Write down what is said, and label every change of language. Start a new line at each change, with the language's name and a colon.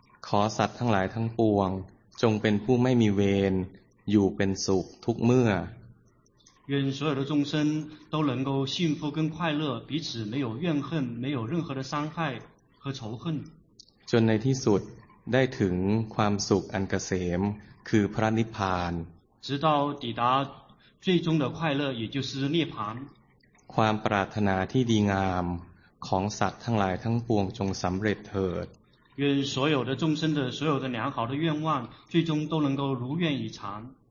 Thai: ขอสัตว์ทั้งหลายทั้งปวงจงเป็นผู้ไม่มีเวรอยู่เป็นสุขทุกเมื่อ
Chinese: 愿所有的众生都能够幸福跟快乐彼此没有怨恨没有任何的伤害和仇恨
Thai: จนในที่สุดได้ถึงความสุขอันเกษมคือพระนิพพาน
Chinese: 直到抵达最终的快乐也就是涅槃
Thai: ความปรารถนาที่ดีงามของสัตว์ทั้งหลายทั้งปวงจงสำเร็จเถิด
Chinese: 愿所有的众生的所有的良好的愿望最终都能够如愿以偿